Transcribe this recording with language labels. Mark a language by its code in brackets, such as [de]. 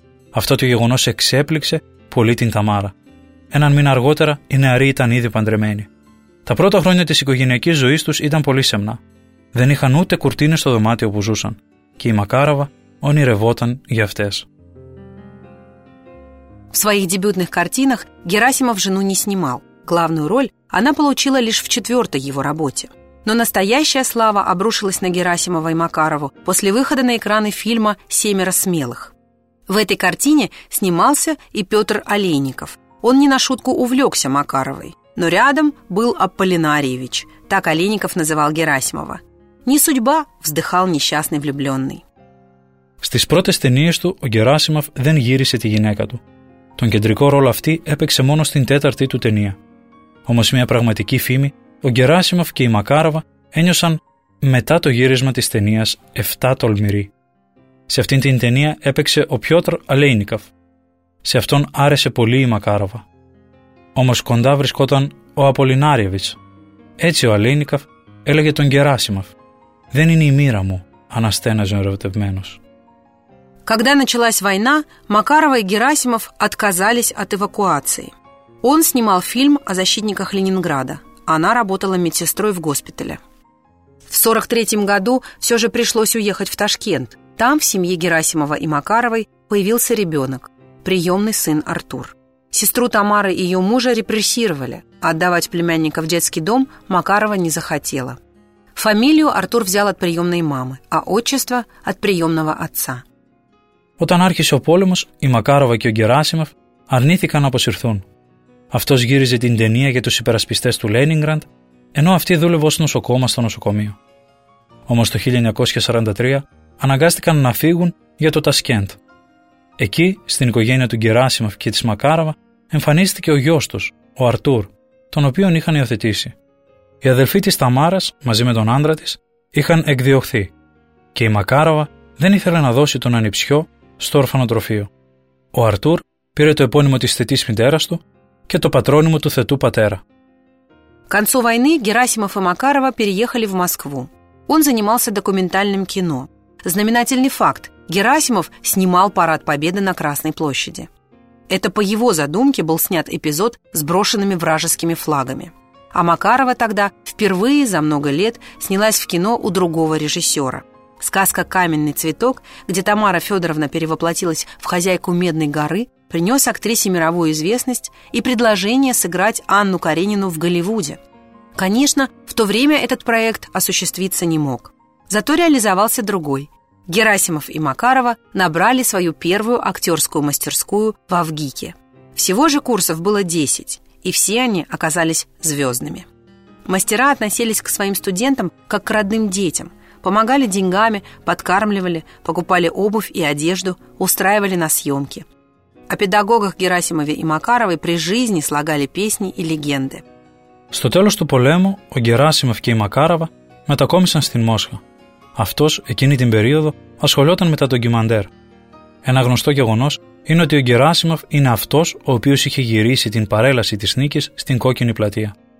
[el] Αυτό το γεγονός εξέπληξε πολύ την Ταμάρα. Έναν μήνα αργότερα, οι νεαροί ήταν ήδη παντρεμένοι. Τα πρώτα χρόνια της οικογενειακής ζωής τους ήταν πολύ σεμνά. Δεν είχαν ούτε κουρτίνες στο δωμάτιο που ζούσαν και η Μακάραβα ονειρευόταν για αυτές. [ru] В своих дебютных картинах Герасимов жену не снимал. Главную роль она получила лишь в четвертой его работе. Но настоящая слава обрушилась на Герасимова и Макарову после выхода на экраны фильма «Семеро смелых». В этой картине снимался и Петр Олейников. Он не на шутку увлекся Макаровой. Но рядом был Аполлинарьевич. Так Олейников называл Герасимова. «Не судьба», – вздыхал несчастный влюбленный. [el] Στις πρώτες ταινίες του, ο Γεράσιμοφ δεν γύρισε τη γυναίκα του. Τον κεντρικό ρόλο αυτή έπαιξε μόνο στην τέταρτη του ταινία. Όμως μια πραγματική φήμη, ο Γεράσιμοφ και η Μακάραβα ένιωσαν μετά το γύρισμα της ταινίας «Εφτά τολμηροί». Σε αυτήν την ταινία έπαιξε ο Πιότρ Αλέινικοφ. Σε αυτόν άρεσε πολύ η Μακάραβα. Όμως κοντά βρισκόταν ο Απολινάριεβιτς. Έτσι ο Αλέινικοφ έλεγε τον Γεράσιμοφ. «Δεν είναι η μοίρα μου», αναστέναζε ο ερωτευμένος. [ru] Когда началась война, Макарова и Герасимов отказались от эвакуации. Он снимал фильм о защитниках Ленинграда. Она работала медсестрой в госпитале. В 43-м году все же пришлось уехать в Ташкент. Там в семье Герасимова и Макаровой появился ребенок, приемный сын Артур. Сестру Тамары и ее мужа репрессировали. Отдавать племянника в детский дом Макарова не захотела. Фамилию Артур взял от приемной мамы, а отчество – от приемного отца. [el] Όταν άρχισε ο πόλεμος, η Μακάραβα και ο Γεράσιμοφ αρνήθηκαν να αποσυρθούν. Αυτός γύριζε την ταινία για τους υπερασπιστές του Λένιγκραντ, ενώ αυτή δούλευε ως νοσοκόμα στο νοσοκομείο. Όμως το 1943 αναγκάστηκαν να φύγουν για το Τασκέντ. Εκεί, στην οικογένεια του Γεράσιμοφ και της Μακάραβα, εμφανίστηκε ο γιος τους, ο Αρτούρ, τον οποίον είχαν υιοθετήσει. Η αδελφή της Ταμάρας, μαζί με τον άντρα της, είχαν εκδιωχθεί και η Μακάραβα δεν ήθελε να δώσει τον ανιψιό στο ορφανοτροφείο. Ο Αρτούρ πήρε το επώνυμο της θετής μητέρας του και το πατρόνυμο του θετού πατέρα. [ru] Концу войны Герасимов и Макарова переехали в Москву. Он занимался документальным кино. Знаменательный факт. Герасимов снимал парад Победы на Красной площади. Это по его задумке был снят эпизод с брошенными вражескими флагами. А Макарова тогда впервые за много лет снялась в кино у другого режиссера. Сказка «Каменный цветок», где Тамара Федоровна перевоплотилась в хозяйку Медной горы, принес актрисе мировую известность и предложение сыграть Анну Каренину в Голливуде. Конечно, в то время этот проект осуществиться не мог. Зато реализовался другой. Герасимов и Макарова набрали свою первую актерскую мастерскую в ВГИКе. Всего же курсов было 10, и все они оказались звездными. Мастера относились к своим студентам как к родным детям, помогали деньгами, подкармливали, покупали обувь и одежду, устраивали на съемки. О педагогах Герасимове и Макаровой при жизни слагали песни и легенды. [el] Στο τέλος του πολέμου, ο Γεράσιμοφ και η Μακάραβα μετακόμισαν στην Μόσχα. Αυτός εκείνη την περίοδο ασχολιόταν με τα ντοκιμαντέρ. Ένα γνωστό γεγονός είναι ότι ο Γεράσιμοφ είναι αυτός ο οποίος είχε γυρίσει την παρέλαση της νίκης στην Κόκκινη Πλατεία.